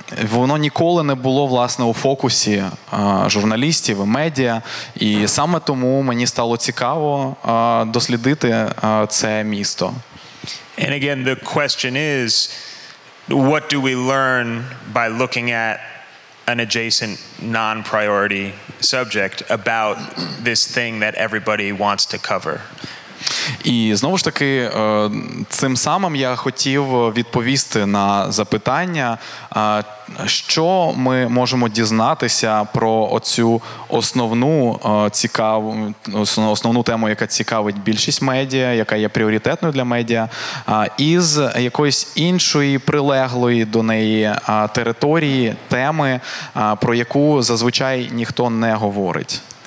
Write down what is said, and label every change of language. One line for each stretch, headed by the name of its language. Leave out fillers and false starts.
Ukrainian: Воно ніколи не було, власне, у фокусі журналістів, медіа. І саме тому мені стало цікаво дослідити це місто.
English: And again, the question is, what do we learn by looking at an adjacent non-priority subject about this thing that everybody wants to cover?
Ukrainian: І знову ж таки, цим самим я хотів відповісти на запитання, що ми можемо дізнатися про оцю основну тему, яка цікавить більшість медіа, яка є пріоритетною для медіа, із якоїсь іншої прилеглої до неї території, теми, про яку зазвичай ніхто не говорить.